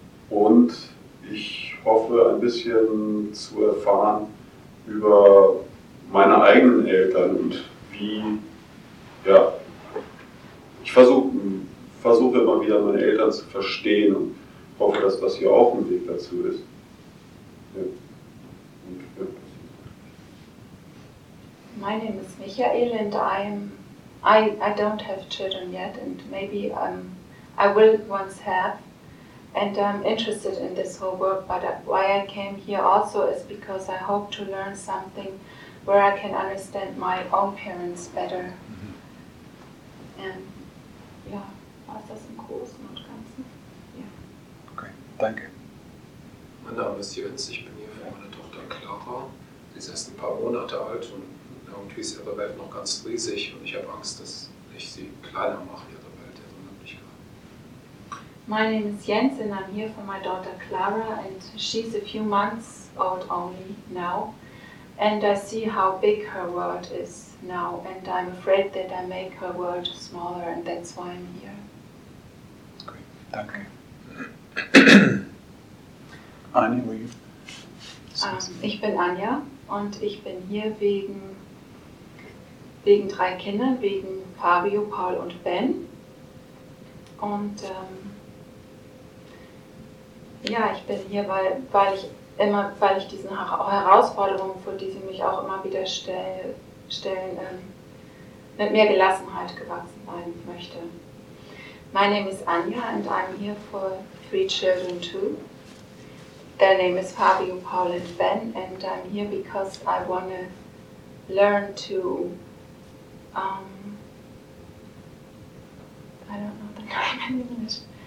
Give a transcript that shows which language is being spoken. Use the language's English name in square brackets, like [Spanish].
[German] Und ich hoffe, ein bisschen zu erfahren über meine eigenen Eltern und wie, ja, ich versuche immer wieder meine Eltern zu verstehen und hoffe, dass das hier auch ein Weg dazu ist. Ja. Und, ja. [English] My name is Michael and I don't have children yet and maybe I will once have and I'm interested in this whole work but why I came here also is because I hope to learn something where I can understand my own parents better. [German] War das im Großen und Ganzen? Okay, danke. Mein Name ist Jens, ich bin hier für meine Tochter Clara. Sie ist erst ein paar Monate alt und irgendwie ist ihre Welt noch ganz riesig und ich habe Angst, dass ich sie kleiner mache, ihre Welt, ihre Möglichkeiten. [English] My name is Jens and I'm here for my daughter Clara and she's a few months old only now and I see how big her world is now and I'm afraid that I make her world smaller and that's why I'm here. Great, [German] danke. [English] Anja, were you? [German] Ich bin Anja und ich bin hier wegen drei Kindern, wegen Fabio, Paul und Ben. Und ja, ich bin hier, weil ich diesen Herausforderungen, vor die sie mich auch immer wieder stellen, mit mehr Gelassenheit gewachsen sein möchte. [English] My name is Anja and I'm here for three children too. Their name is Fabio, Paul and Ben, and I'm here because I want to learn to, I don't know the name in English.